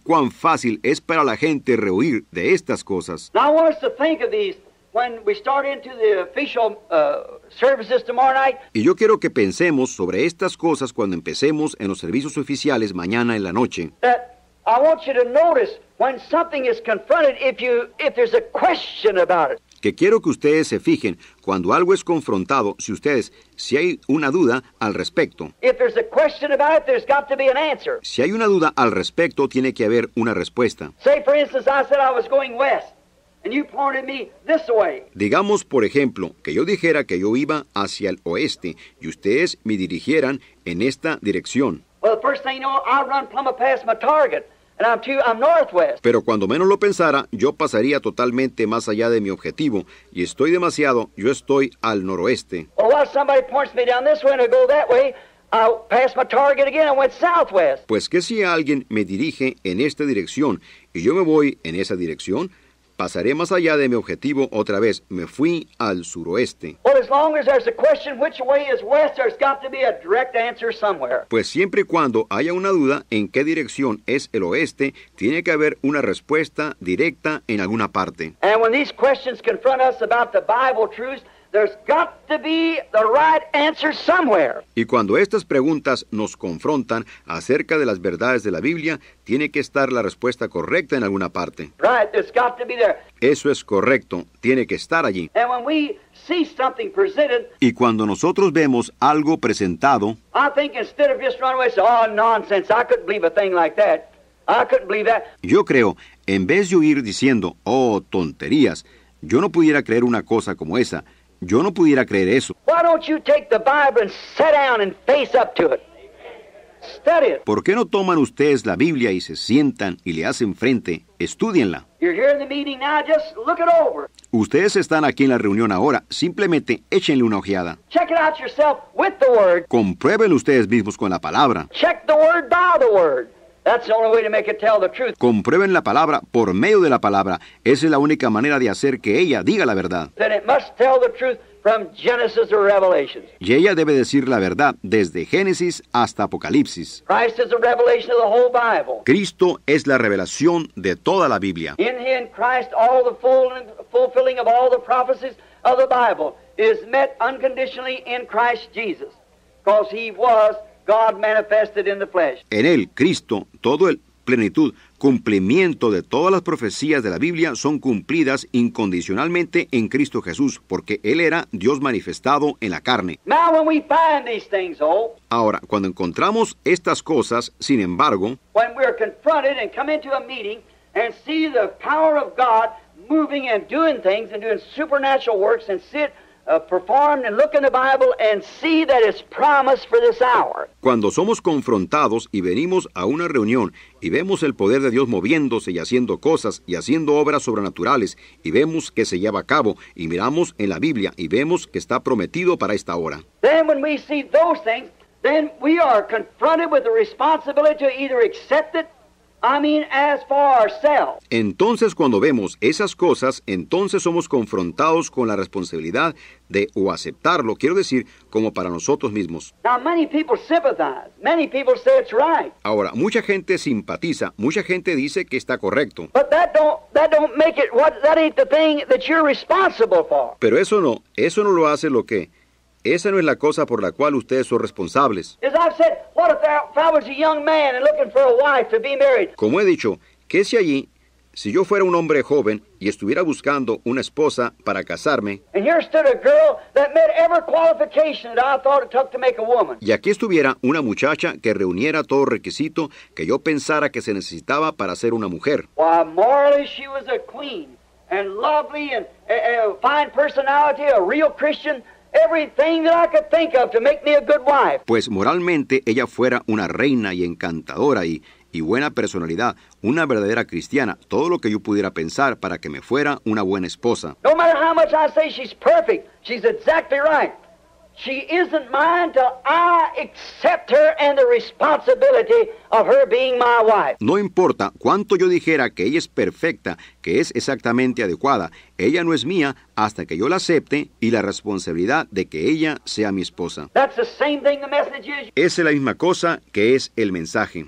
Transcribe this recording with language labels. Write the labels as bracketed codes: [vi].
[es] cuán fácil es para la gente rehuir de estas cosas. [en] Now I want us to think of these when we start into the official services tomorrow night. [es] Y yo quiero que pensemos sobre estas cosas cuando empecemos en los servicios oficiales mañana en la noche. [en] That I want you to notice when something is confronted, if there's a question about it. [es] Que quiero que ustedes se fijen cuando algo es confrontado, si hay una duda al respecto. [en] If there's a question about it, there's got to be an answer. [es] Si hay una duda al respecto, tiene que haber una respuesta. [en] Say, for instance, I said I was going west. And you pointed me this way. [es] Digamos, por ejemplo, que yo dijera que yo iba hacia el oeste y ustedes me dirigieran en esta dirección. [en] Well, the first thing you know, I run plumb up past my target, and I'm northwest. [es] Pero cuando menos lo pensara, yo pasaría totalmente más allá de mi objetivo y yo estoy al noroeste. [en] Well, while somebody points me down this way and I go that way, I passed my target again and went southwest. [es] Pues que si alguien me dirige en esta dirección y yo me voy en esa dirección, pasaré más allá de mi objetivo otra vez. Me fui al suroeste. [en] Well, as long as there's a question which way is west, there's got to be a direct answer somewhere. [es] Pues siempre y cuando haya una duda en qué dirección es el oeste, tiene que haber una respuesta directa en alguna parte. [en] And when these questions confront us about the Bible truths, There's got to be the right answer somewhere. [es] Y cuando estas preguntas nos confrontan acerca de las verdades de la Biblia, tiene que estar la respuesta correcta en alguna parte. [en] Right, there's got to be there. [es] Eso es correcto, tiene que estar allí. [en] And when we see something presented, [es] y cuando nosotros vemos algo presentado, [en] I think instead of just running away, say, oh, nonsense, I couldn't believe a thing like that. I couldn't believe that. [es] Yo creo, en vez de huir diciendo, oh, tonterías, yo no pudiera creer una cosa como esa. Yo no pudiera creer eso. [en] Why don't you take the Bible and sit down and face up to it? Study it. [es] ¿Por qué no toman ustedes la Biblia y se sientan y le hacen frente? Estúdienla. [en] You're here in the meeting now, just look it over. [es] Ustedes están aquí en la reunión ahora, simplemente échenle una ojeada. [en] Check it out yourself with the word. [es] Compruébenlo ustedes mismos con la palabra. [en] Check the word by the word. That's the only way to make it tell the truth. [es] Comprueben la palabra por medio de la palabra. Esa es la única manera de hacer que ella diga la verdad. [en] Then it must tell the truth from Genesis or Revelations. [es] Y ella debe decir la verdad desde Génesis hasta Apocalipsis. [en] Christ is the revelation of the whole Bible. [es] Cristo es la revelación de toda la Biblia. [en] In him, Christ, all the fulfilling of all the prophecies of the Bible is met unconditionally in Christ Jesus, because he was God manifested in the flesh. [es] En él, Cristo, todo el plenitud, cumplimiento de todas las profecías de la Biblia son cumplidas incondicionalmente en Cristo Jesús, porque él era Dios manifestado en la carne. [en] Now when we find these things, oh, [es] ahora, cuando encontramos estas cosas, sin embargo, [en] when we are confronted and come into a meeting and see the power of God moving and doing things and doing supernatural works and sit performed and look in the Bible and see that it's promised for this hour. [es] Cuando somos confrontados y venimos a una reunión y vemos el poder de Dios moviéndose y haciendo cosas y haciendo obras sobrenaturales y vemos que se lleva a cabo y miramos en la Biblia y vemos que está prometido para esta hora. [en] Then when we see those things, then we are confronted with the responsibility to either accept it, I mean, as for ourselves. [es] Entonces, cuando vemos esas cosas, entonces somos confrontados con la responsabilidad de o aceptarlo, quiero decir, como para nosotros mismos. [en] Now, many people sympathize. Many people say it's right. [es] Ahora, mucha gente simpatiza, mucha gente dice que está correcto. [en] But that don't make it what that ain't the thing that you're responsible for. [es] Pero eso no lo hace lo que esa no es la cosa por la cual ustedes son responsables. [en] As I've said, what if I was a young man and looking for a wife to be married? [es] Como he dicho, ¿qué si allí, si yo fuera un hombre joven y estuviera buscando una esposa para casarme? [en] And here stood a girl that met every qualification that I thought it took to make a woman. [es] Y aquí estuviera una muchacha que reuniera todo requisito que yo pensara que se necesitaba para ser una mujer. [en] Why, morally, she was a queen and lovely and a fine personality, a real Christian. Everything that I could think of to make me a good wife. [es] Pues moralmente ella fuera una reina y encantadora y buena personalidad, una verdadera cristiana, todo lo que yo pudiera pensar para que me fuera una buena esposa. [en] No matter how much I say she's perfect, she's exactly right. She isn't mine till I accept her and the responsibility of her being my wife. [es] No importa cuánto yo dijera que ella es perfecta, que es exactamente adecuada, ella no es mía hasta que yo la acepte y la responsabilidad de que ella sea mi esposa. [en] That's the same thing the message is. [es] Esa es la misma cosa que es el mensaje.